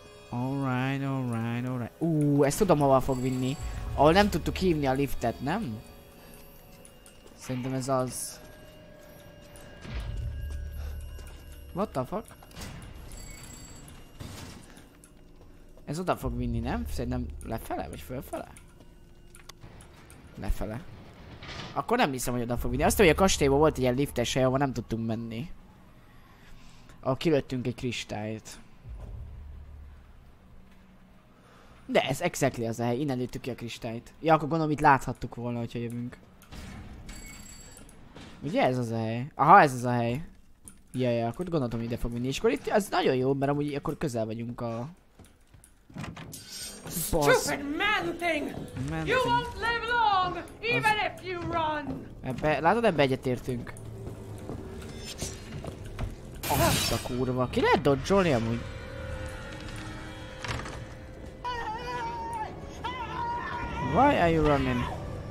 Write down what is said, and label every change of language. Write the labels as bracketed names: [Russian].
[English] Alright, alright, alright. [Hungarian] Ezt tudom hova fog vinni. Ahol nem tudtuk hívni a liftet, nem? Szerintem ez az. [English] What the fuck? [Hungarian] Ez oda fog vinni, nem? Szerintem lefele vagy fölfele? Lefele. Akkor nem hiszem, hogy oda fog vinni. Azt mondja, hogy a kastélyban volt egy ilyen liftes hely, ahol nem tudtunk menni. Ahol kilőttünk egy kristályt. De ez exactly az a hely. Innen lőttük ki a kristályt. Ja, akkor gondolom itt láthattuk volna, hogyha jövünk. Ugye ez az a hely? Aha, ez az a hely. Jaj, akkor gondoltam, ide fog vinni. És akkor itt az nagyon jó, mert amúgy akkor közel vagyunk a... [English] Boss. Stupid man-thing! Man you won't live long, even if you run! [Hungarian] Ebbe, látod, ebbe egyetértünk. Azt a kurva, ki lehet dodzsolni amúgy? [English] Why are you running?